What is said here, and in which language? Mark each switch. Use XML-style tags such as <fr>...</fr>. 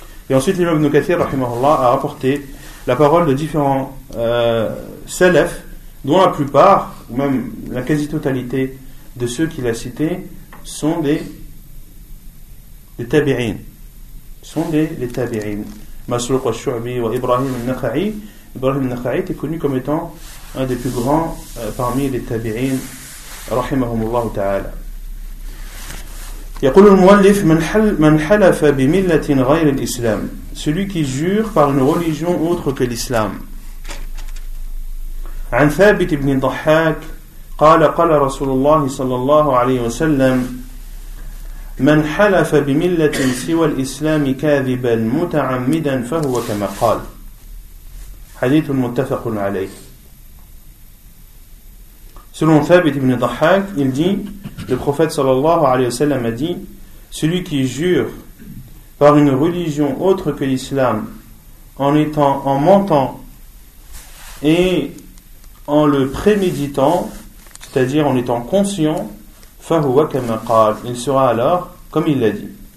<fr>Et ensuite, l'imam Ibn Kathir, rahimahullah, a rapporté la parole de différents salafs, dont la plupart, ou même la quasi-totalité de ceux qu'il a cités, sont des tabi'in. Sont les tabi'in. Masruq al-Shu'bi wa Ibrahim al-Nakha'i. Ibrahim al-Nakha'i était connu comme étant un des plus grands parmi les tabi'in.</fr> <ar>Rahimahumullah ta'ala. يقول المؤلف من حلف بملة غير الإسلام.</ar> <fr>Celui qui jure par une religion autre que l'islam.</fr> <ar>عن ثابت بن ضحاك قال قال رسول الله صلى الله عليه وسلم من حلف بملة سوى الإسلام كاذبا متعمدا فهو كما قال. حديث متفق عليه.</ar> <fr>Selon Thabit ibn Dahhak, il dit, le prophète sallallahu alayhi wa sallam a dit, celui qui jure par une religion autre que l'islam, en mentant et en le préméditant, c'est-à-dire en étant conscient,</fr> <ar>فَهُوَ كَمَا قَالَ,</ar> <fr>il sera alors comme il l'a dit.</fr>